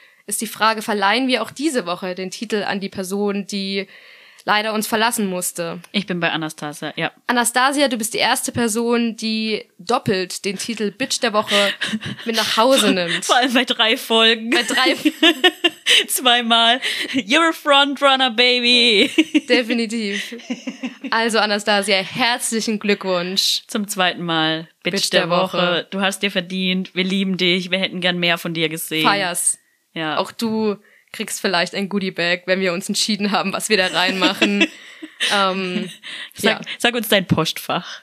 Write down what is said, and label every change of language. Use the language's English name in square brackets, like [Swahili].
[German] Ist die Frage, verleihen wir auch diese Woche den Titel an die Person, die leider uns verlassen musste? Ich bin bei Anastasia, ja. Anastasia, du bist die erste Person, die doppelt den Titel Bitch der Woche mit nach Hause nimmt. Vor allem bei drei Folgen. Bei drei. Zweimal. [English] You're a frontrunner, baby. [German] Definitiv. Also Anastasia, herzlichen Glückwunsch. Zum zweiten Mal Bitch der Woche. Du hast dir verdient, wir lieben dich, wir hätten gern mehr von dir gesehen. Feier's. Ja. Auch du kriegst vielleicht ein Goodiebag, wenn wir uns entschieden haben, was wir da reinmachen. Sag uns dein Postfach.